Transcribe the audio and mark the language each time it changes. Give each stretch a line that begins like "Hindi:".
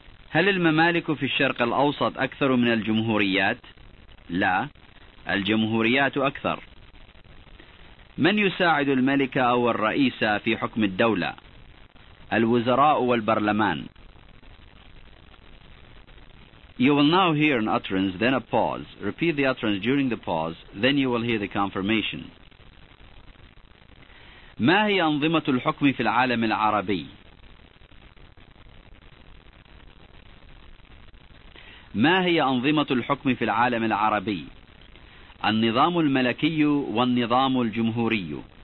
Arabic: هل الممالك في الشرق الأوسط أكثر من الجمهوريات؟ لا، الجمهوريات أكثر. من يساعد الملك أو الرئيس في حكم الدولة؟ الوزراء والبرلمان.
English: You will now hear an utterance, then a pause. Repeat the utterance during the pause, then you will hear the confirmation.
Arabic: ما هي أنظمة الحكم في العالم العربي؟ ما هي أنظمة الحكم في العالم العربي؟ النظام الملكي والنظام الجمهوري.